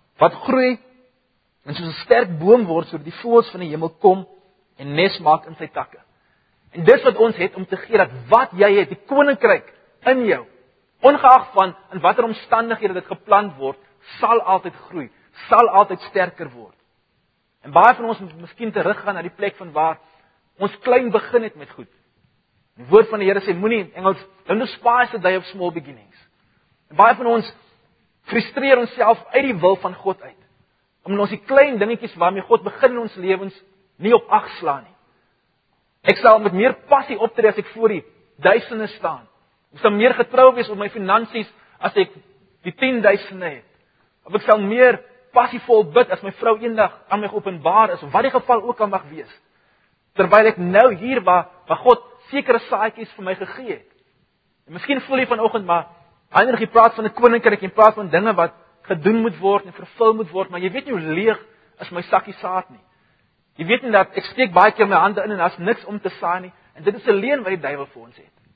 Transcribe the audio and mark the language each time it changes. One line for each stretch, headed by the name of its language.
Afrikaans: Wat groei en soos 'n sterk boom word sodat die voëls van die hemel kom en nes maak in sy takke. En dis wat ons het om te gee dat wat jy het, die koninkryk in jou, ongeag van in watter omstandighede dit geplant word, sal altyd groei, sal altyd sterker word. En baie van ons moet miskien teruggaan na die plek van waar ons klein begin het met goed. Die woord van die Here sê moenie in Engels
English: don't despise the day of small beginnings.
Afrikaans: En baie van ons frustreer onsself uit die wil van God uit. Omdat ons die klein dingetjies waarmee God begin in ons lewens nie op ag slaan nie. Ek sal met meer passie optree as ek voor die duisende staan. Ek sal meer getrou wees op my finansies as ek die 10,000 het. Of ek sal meer passievol bid as my vrou eendag aan my geopenbaar is, wat die geval ook al mag wees. Terwyl ek nou hier waar God sekere saadjies vir my gegee het. En miskien voel jy vanoggend maar Heinrich, jy praat van 'n koninkryk, jy praat van dinge wat gedoen moet word en vervul moet word, maar jy weet nie hoe leeg is my sakkie saad nie. Jy weet nie dat ek steek baie keer my hande in en daar's niks om te saai nie, en dit is 'n leuen wat die duiwel vir ons het.